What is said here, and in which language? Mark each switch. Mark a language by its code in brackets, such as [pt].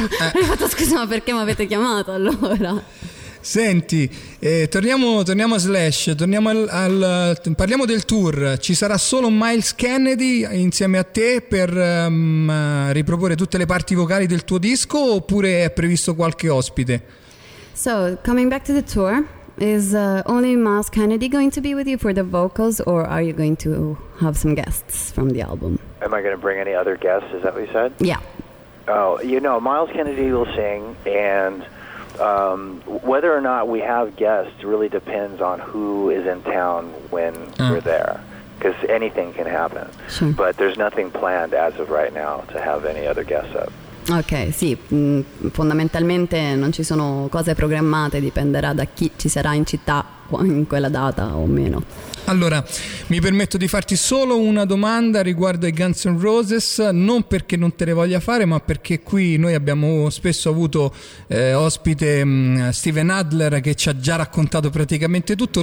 [it] Ho fatto: scusa, ma perché mi avete chiamato allora? Senti, torniamo a Slash, parliamo del tour. Ci sarà solo Miles Kennedy insieme a te per riproporre tutte le parti vocali del tuo disco, oppure è previsto qualche ospite? [en] So, coming back to the tour, is only Miles Kennedy going to be with you for the vocals, or are you going to have some guests from the album? Am I going to bring any other guests? Is that what you said? Yeah. Oh, you know, Miles Kennedy will sing, and whether or not we have guests really depends on who is in town when we're there, because anything can happen. Sure. But there's nothing planned as of right now to have any other guests up. [it] Ok, sì, fondamentalmente non ci sono cose programmate, dipenderà da chi ci sarà in città in quella data o meno. Allora, mi permetto di farti solo una domanda riguardo ai Guns N' Roses, non perché non te le voglia fare, ma perché qui noi abbiamo spesso avuto ospite Steven Adler, che ci ha già raccontato praticamente tutto.